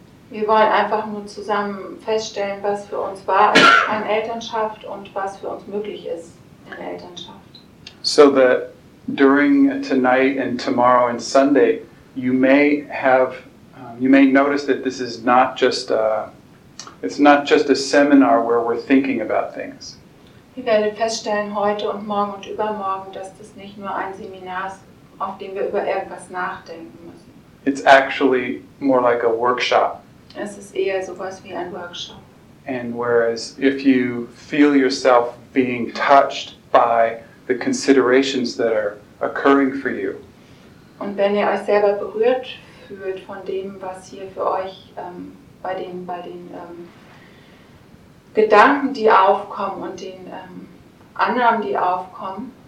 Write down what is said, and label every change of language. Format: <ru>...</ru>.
<de>Wir wollen einfach nur zusammen feststellen, was für uns wahr ist an Elternschaft und was für uns möglich ist in Elternschaft.</de> <en>So that during tonight and tomorrow and Sunday, you may notice that this is not just a seminar where we're thinking about things.</en> <de>Ihr werdet feststellen heute und morgen und übermorgen, dass das nicht nur ein Seminar ist, auf dem wir über irgendwas nachdenken müssen.</de> <en>It's actually more like a workshop.</en> <de>Es ist eher sowas wie ein Workshop.</de> <en>And whereas if you feel yourself being touched by the considerations that are occurring for you.</en> <de>Und wenn ihr euch selber berührt fühlt von dem, was hier für euch bei den Gedanken, die aufkommen und den Annahmen, die aufkommen.</de>